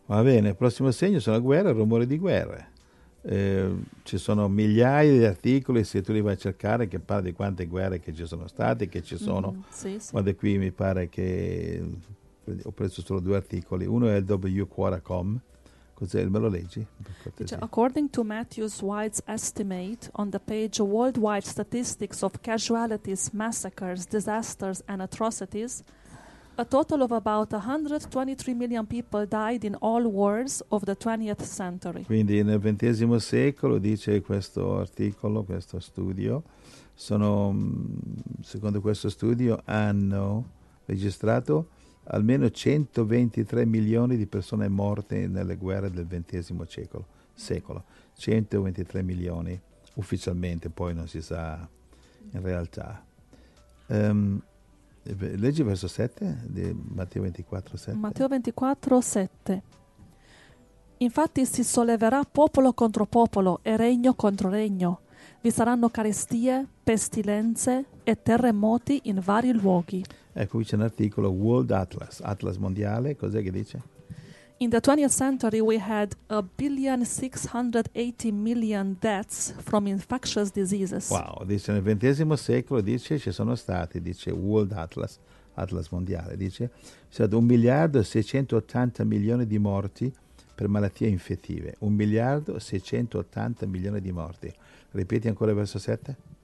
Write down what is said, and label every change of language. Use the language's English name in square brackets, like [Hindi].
[Italian] Va bene, il prossimo segno sono guerre e rumori di guerre. Ci sono migliaia di articoli, se tu li vai a cercare, che parla di quante guerre che ci sono state, che ci sono. Guarda, qui mi pare che ho preso solo due articoli. Uno è il WQuora.com. Cos'è? Me lo leggi? [English] According to Matthew White's estimate on the page Worldwide Statistics of Casualties, Massacres, Disasters and Atrocities, a total of about 123 million people died in all wars of the 20th century. [Italian] Quindi nel XX secolo, dice questo articolo, questo studio, sono, secondo questo studio, hanno registrato almeno 123 milioni di persone morte nelle guerre del XX secolo. 123 milioni, ufficialmente, poi non si sa in realtà. Leggi verso 7 di Matteo 24, 7. Matteo 24, 7. Infatti si solleverà popolo contro popolo e regno contro regno. Vi saranno carestie, pestilenze e terremoti in vari luoghi. Ecco, qui c'è un articolo, World Atlas, Atlas mondiale, cos'è che dice? [English] In the 20th century we had 1,680,000,000 deaths from infectious diseases. [Italian] Wow, dice nel XX secolo, dice, ci sono stati, dice World Atlas, Atlas mondiale, dice, c'è stato 1,680,000,000 di morti per malattie infettive. 1,680,000,000 di morti. Ripeti ancora il verso 7?